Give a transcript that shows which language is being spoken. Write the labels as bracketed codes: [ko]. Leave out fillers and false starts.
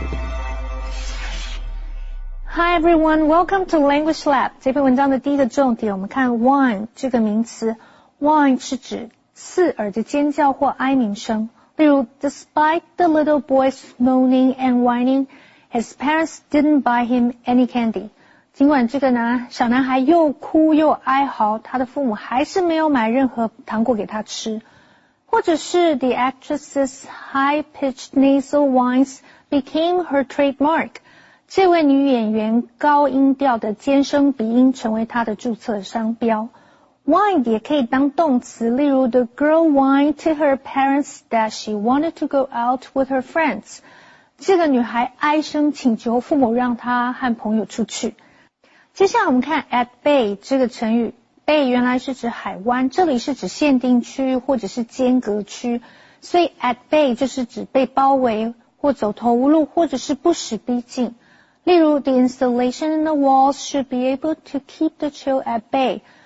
[en] Hi everyone, welcome to Language Lab. [zh] 这篇文章的第一个重点，我们看 whine 这个名词。 Whine 是指刺耳的尖叫或哀鸣声。例如 [en] ,despite the little boy's moaning and whining, his parents didn't buy him any candy. [zh] 尽管这个呢小男孩又哭又哀嚎，他的父母还是没有买任何糖果给他吃。或者是 [en] the actress's high-pitched nasal whines became her trademark. [zh] 这位女演员高音调的尖声鼻音成为她的注册商标。 [en] Whined [zh] 也可以当动词，例如 [en] The girl whined to her parents that she wanted to go out with her friends. [zh] 这个女孩哀声请求父母让她和朋友出去。接下来我们看 at bay 这个成语。bay 原来是指海湾，这里是指限定区或者是间隔区。所以 at bay 就是指被包围或走投无路或者是不时逼近。例如 [en] The insulation in the walls should be able to keep the chill at bay.